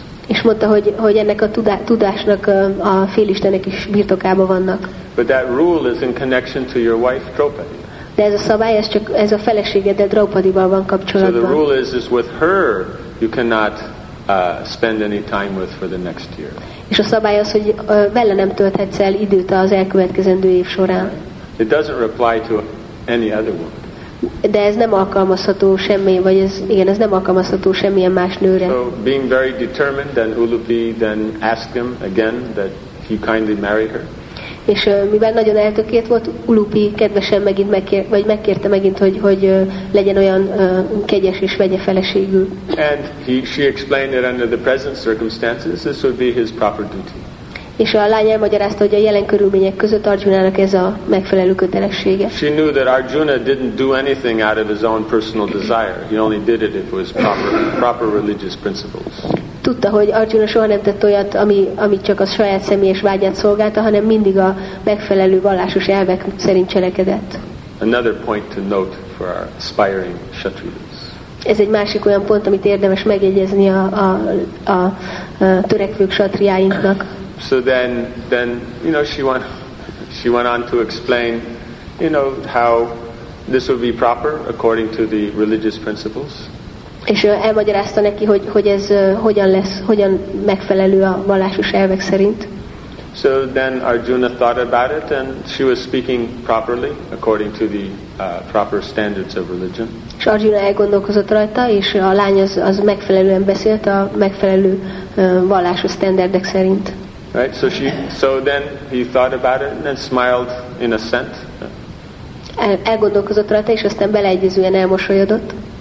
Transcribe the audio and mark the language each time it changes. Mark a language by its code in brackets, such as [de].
[hu] És mondta, hogy ennek a tudásnak a félistenek is birtokában vannak. [en] But that rule is in connection to your wife Draupadi. [hu] De ez a szabály, ez a feleségeddel, Draupadival van kapcsolatban. [en] So the rule is with her you cannot spend any time with for the next year. [hu] És a szabály az, hogy vele nem tölthetsz el időt az elkövetkezendő év során. [en] It doesn't apply to any other woman. [hu] De ez nem alkalmazható semmi, vagy ez, igen, ez nem alkalmazható semmilyen más nőre. [en] So being very determined, then Ulupi then asked him again that he kindly marry her. [hu] És mivel nagyon eltökélt volt, Ulupi kedvesen megint megkérte megint, hogy legyen olyan kegyes és vegye feleségül. [en] And she explained that under the present circumstances, this would be his proper duty. [hu] És a lány elmagyarázta, hogy a jelen körülmények között Arjunának ez a megfelelő kötelessége. [en] She knew that Arjuna didn't do anything out of his own personal desire. He only did it if it was proper religious principles. [hu] Tudta, hogy Arjuna soha nem tett olyat, amit csak a saját személyes vágyát szolgálta, hanem mindig a megfelelő vallásos elvek szerint cselekedett. [en] Another point to note for our aspiring kshatriyas. [hu] Ez egy másik olyan pont, amit érdemes megjegyezni a törekvő kshatriyáinknak. [en] So then you know she went on to explain, you know, how this would be proper according to the religious principles. [hu] És elmagyarázta neki, hogy ez hogyan lesz, hogyan megfelelő a vallásos elvek szerint. [en] So then Arjuna thought about it, and she was speaking properly according to the proper standards of religion. [hu] És Arjuna elgondolkozott rajta, és a lány az megfelelően beszélt a megfelelő vallásos standardek szerint. [en] Right, so then he thought about it and then smiled in assent. [hu] Elgondolkozott rajta, és aztán beleegyezően elmosolyodott.